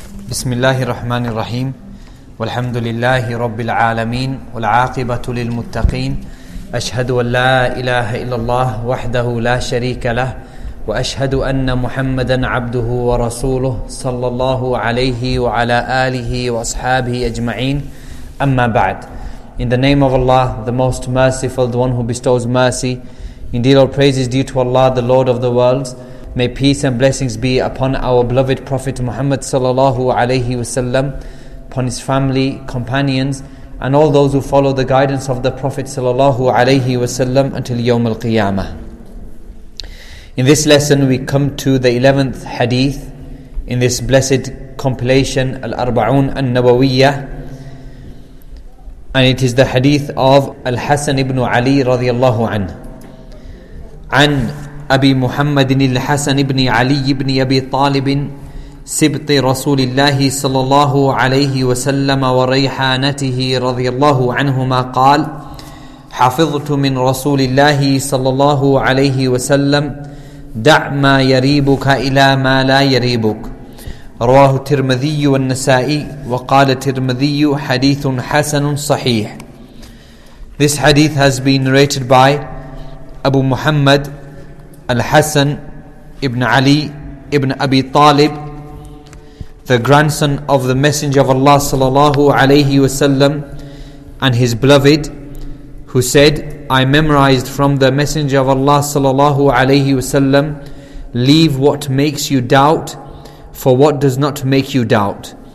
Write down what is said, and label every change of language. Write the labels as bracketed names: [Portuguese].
[Arabic] بسم الله الرحمن الرحيم والحمد لله رب العالمين والعاقبة للمتقين أشهد أن لا إله إلا الله وحده لا شريك له وأشهد أن محمدا عبده ورسوله صلى الله عليه وعلى آله وأصحابه أجمعين أما بعد. [English] In the name of Allah, the Most Merciful, the One who bestows mercy, indeed all praise is due to Allah, the Lord of the worlds. May peace and blessings be upon our beloved Prophet Muhammad sallallahu alaihi wasallam, upon his family, companions, and all those who follow the guidance of the Prophet sallallahu alaihi wasallam until Yawm al-Qiyamah. In this lesson, we come to the 11th hadith in this blessed compilation, Al-Arba'un al-Nawawiyyah. And it is the hadith of Al-Hasan ibn Ali radiallahu an [Arabic] أبي محمد الحسن بن علي بن أبي طالب سبط رسول الله صلى الله عليه وسلم وريحانته رضي الله عنهما قال حفظت من رسول الله صلى الله عليه وسلم دع ما يريبك إلى ما لا يريبك رواه الترمذي والنسائي وقال الترمذي حديث حسن صحيح. [English] This hadith has been narrated by Abu Muhammad Al-Hasan ibn Ali ibn Abi Talib, the grandson of the Messenger of Allah sallallahu alayhi wa sallam, and his beloved, who said, I memorized from the Messenger of Allah sallallahu alayhi wa sallam, leave what makes you doubt for what does not make you doubt.